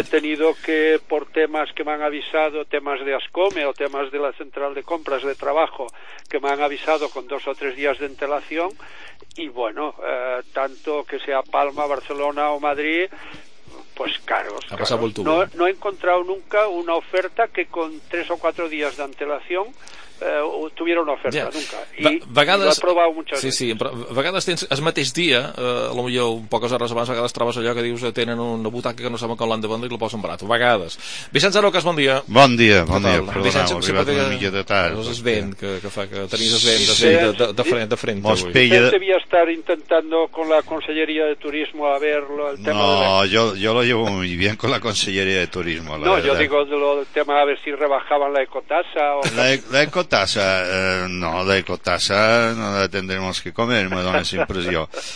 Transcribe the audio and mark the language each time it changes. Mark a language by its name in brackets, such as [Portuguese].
[Spanish] He tenido que, por temas que me han avisado, temas de Ascome o temas de la central de compras de trabajo, que me han avisado con 2 o 3 días de antelación, y bueno, tanto que sea Palma, Barcelona o Madrid, pues caros. Ha pasado el tubo. No he encontrado nunca una oferta que con 3 o 4 días de antelación tuviera una oferta, yeah. Nunca. [Catalan] Vegades, i ho he provat moltes vegades. Sí, però a vegades tens el mateix dia, potser poques hores abans, a vegades trobes allò que dius que tenen una butaca que no saben com l'han de vendre i la posen barat. A vegades. Vicenç Arocas, bon dia. Bon dia, bon dia. Perdoneu, he arribat una mica de tard. No és el vent que fa que tenies el vent [Spanish] de frente, de frente [Catalan] avui. [Spanish] Pella... Vicenç [Catalan] devia estar [Spanish] intentando con la Conselleria de Turismo a ver el tema no, de... No, yo lo llevo muy bien con la Conselleria de Turismo, la no, verdad. Yo digo el tema a ver si rebajaban la ecotasa o... La ecotasa, no, la ecotasa no la tendremos que comer, me da esa impresión.